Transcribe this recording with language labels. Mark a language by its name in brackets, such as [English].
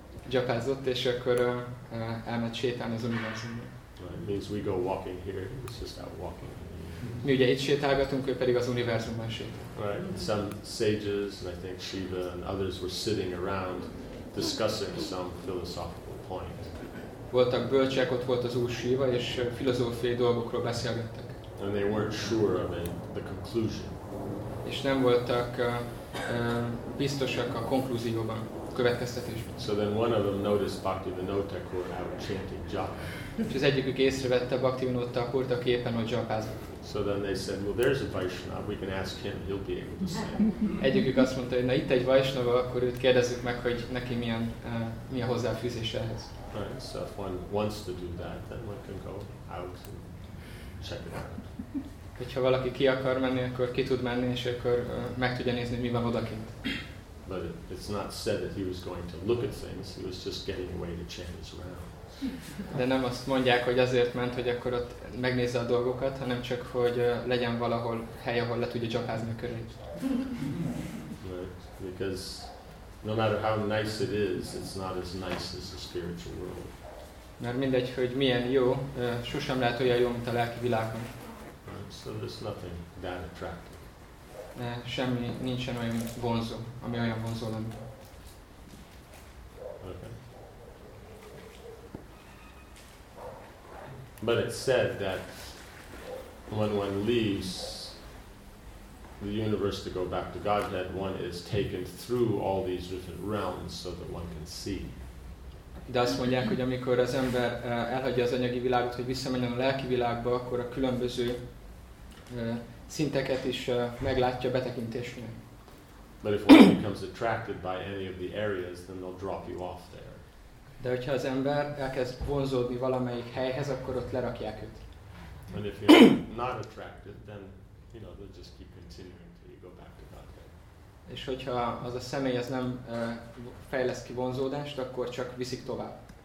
[Hungarian] Japázott, és akkor elment sétálni az univerzumban. [English] It means we go walking here, he's just out walking. [Hungarian] Mi ugye itt sétálgatunk, ő pedig az univerzumban sétál. [English] Right. And some sages, and I think Shiva and others were sitting around discussing some philosophical point. [Hungarian] Voltak bölcsek, ott volt az úr Shiva, és filozófiai dolgokról beszélgettek. [English] And they weren't sure of the conclusion. [Hungarian] És nem voltak biztosak a konklúzióban, a következtetésben. [English] So then one of them noticed Bhaktivinoda Thakur out chanting japa. [Hungarian] És az egyikük észrevette Bhaktivinoda Thakurt, aki éppen ott japázott. [English] So then they said, well, there's a Vaishnava, we can ask him, he'll be able to say. [Hungarian] Egyikük azt mondta, hogy na itt egy Vaishnava, akkor őt kérdezzük meg, hogy neki milyen, mi a hozzáfűzés ehhez. [English] Right, so if one wants to do that, then one can go out and check it out. [Hungarian] Hogyha valaki ki akar menni, akkor ki tud menni, és akkor meg tudja nézni, mi van odakint. [English] But it's not said that he was going to look at things, he was just getting away to chant his round. [Hungarian] De nem azt mondják, hogy azért ment, hogy akkor ott megnézze a dolgokat, hanem csak, hogy legyen valahol hely, ahol le tudja japázni a körét. [English] Right. Because no matter how nice it is, it's not as nice as the spiritual world. [Hungarian] Mert mindegy, hogy milyen jó, sosem lehet olyan jó, mint a lelki világon. [English] Right. So there's nothing that attractive. [Hungarian] De semmi, nincsen olyan vonzó, ami olyan vonzó lenne. [English] But it's said that when one leaves the universe to go back to Godhead, one is taken through all these different realms so that one can see. [Hungarian] De azt mondják, hogy amikor az ember elhagyja az anyagi világot, hogy visszamenjen a lelki világba, akkor a különböző szinteket is meglátja betekintésnél. [English] But if one becomes attracted by any of the areas, then they'll drop you off there. [Hungarian] De hogyha az ember elkezd vonzódni valamelyik helyhez, akkor ott lerakják őt. [English] And if you're not attracted, then you know they'll just keep continuing till you go back to Godhead. [Hungarian] És hogyha az a személy az nem fejleszt ki vonzódást, akkor csak viszik tovább.